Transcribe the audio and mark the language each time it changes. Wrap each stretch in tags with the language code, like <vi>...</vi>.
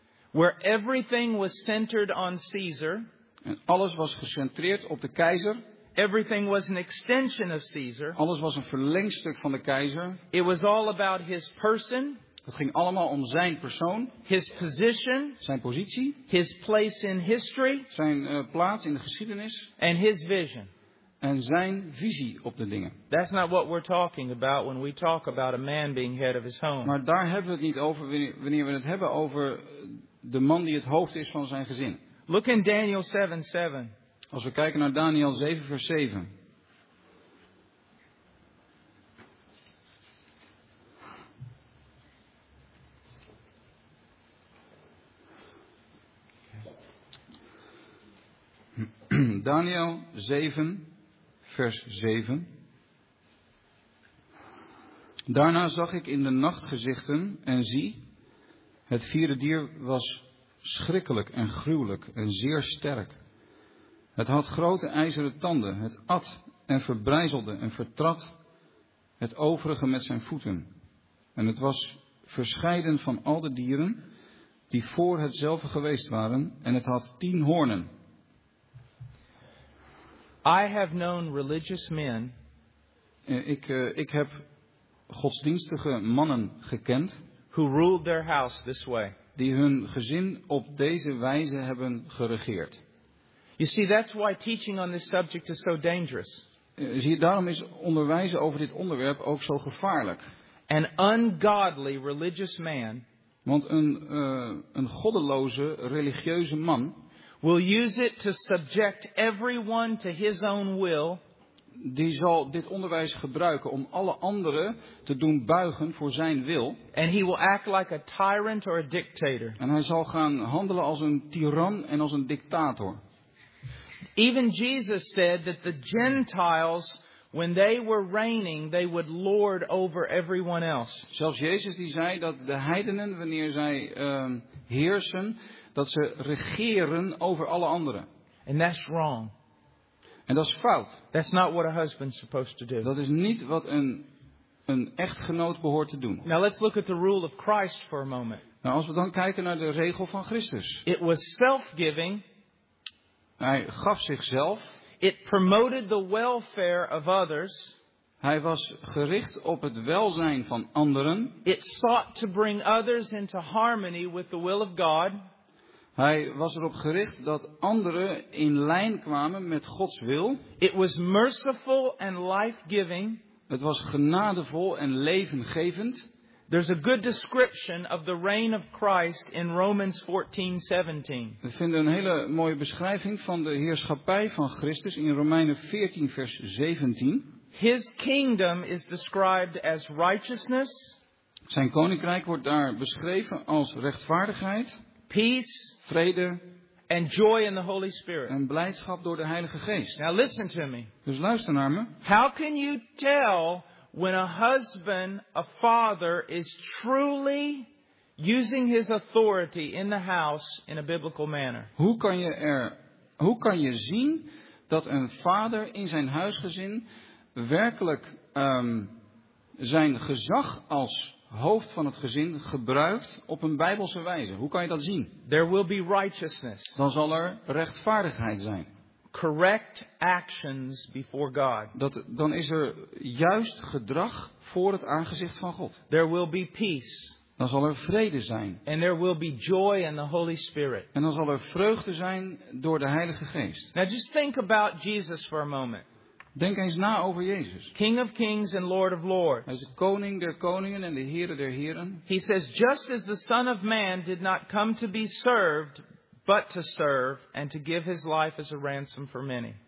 <en>Where everything was centered on Caesar.</en> <nl>En alles was gecentreerd op de keizer.</nl> <en>Everything was an extension of Caesar.</en> <nl>Alles was een verlengstuk van de keizer.</nl> <en>It was all about his person.</en> <nl>Het ging allemaal om zijn persoon.</nl> <en>His position.</en> <nl>Zijn positie.</nl> <en>His place in history.</en> <nl>Zijn plaats in de geschiedenis.</nl> <en>And his vision.</en> <nl>En zijn visie op de dingen.</nl> <en>That's not what we're talking about when we talk about a man being head of his home.</en> <nl>Maar daar hebben we het niet over wanneer we het hebben over de man die het hoofd is van zijn gezin.</nl> <en>Look in Daniel 7:7.</en> <nl>Als we kijken naar Daniel 7 vers 7. Daniel 7 vers 7. Daarna zag ik in de nacht gezichten en zie, het vierde dier was schrikkelijk en gruwelijk en zeer sterk. Het had grote ijzeren tanden, het at en verbrijzelde en vertrad het overige met zijn voeten. En het was verscheiden van al de dieren die voor hetzelfde geweest waren en het had 10 hoornen.</nl> <en>I have known religious men.</en> <nl>Ik heb godsdienstige mannen gekend.</nl> <en>Who ruled their house this way.</en> <nl>Die hun gezin op deze wijze hebben geregeerd.</nl> <en>You see, that's why teaching on this subject is so dangerous.</en> <nl>Zie je, daarom is onderwijzen over dit onderwerp ook zo gevaarlijk.</nl> <en>An ungodly religious man.</en> <nl>Want een goddeloze religieuze man.</nl> <en>Will use it to subject everyone to his own will.</en> <nl>Die zal dit onderwijs gebruiken om alle anderen te doen buigen voor zijn wil.</nl> <en>And he will act like a tyrant or a dictator.</en> <nl>En hij zal gaan handelen als een tiran en als een dictator.</nl> <en>Even Jesus said that the Gentiles, when they were reigning, they would lord over everyone else.</en> <nl>Zelfs Jezus die zei dat de heidenen, wanneer zij heersen, dat ze regeren over alle anderen.</nl> <en>And that's wrong.</en> <nl>En dat is fout.</nl> <en>That's not what a husband's supposed to do.</en> <nl>Dat is niet wat een echtgenoot behoort te doen.</nl> <en>Now let's look at the rule of Christ for a moment.</en> <nl>Nou, als we dan kijken naar de regel van Christus.</nl> <en>It was self-giving.</en> <nl>Hij gaf zichzelf.</nl> <en>It promoted the welfare of others.</en> <nl>Hij was gericht op het welzijn van anderen.</nl> <en>It sought to bring others into harmony with the will of God.</en> <nl>Hij was erop gericht dat anderen in lijn kwamen met Gods wil.</nl> <en>It was merciful and life-giving.</en> <nl>Het was genadevol en levengevend.</nl> <en>There's a good description of the reign of Christ in Romans 14:17.</en> <nl>We vinden een hele mooie beschrijving van de heerschappij van Christus in Romeinen 14 vers 17.</nl> <en>His kingdom is described as righteousness.</en> <nl>Zijn koninkrijk wordt daar beschreven als rechtvaardigheid.</nl> <en>Peace,</en> <nl>vrede,</nl> <en>and joy in the Holy Spirit.</en> <nl>En blijdschap door de Heilige Geest.</nl> <en>Now listen to me.</en> <nl>Dus luister naar me.</nl> <en>How can you tell when a husband, a father, is truly using his authority in the house in a biblical manner?</en> <nl>Hoe kan je zien dat een vader in zijn huisgezin werkelijk zijn gezag als hoofd van het gezin gebruikt op een bijbelse wijze? Hoe kan je dat zien?</nl> <en>There will be righteousness.</en> <nl>Dan zal er rechtvaardigheid zijn.</nl> <en>Correct actions before God.</en> <nl>Dan is er juist gedrag voor het aangezicht van God.</nl> <en>There will be peace.</en> <nl>Dan zal er vrede zijn.</nl> <en>And there will be joy in the Holy Spirit.</en> <nl>En dan zal er vreugde zijn door de Heilige Geest.</nl> <en>Now just think about Jesus for a moment.</en> <nl>Denk eens na over Jezus.</nl> <en>King of kings and Lord of lords.</en> <nl>Hij is de koning der koningen en de Heere der heren.</nl> <en>He says, just as the Son of Man did not come to be served, but to serve and to give his life as a ransom for many.</en>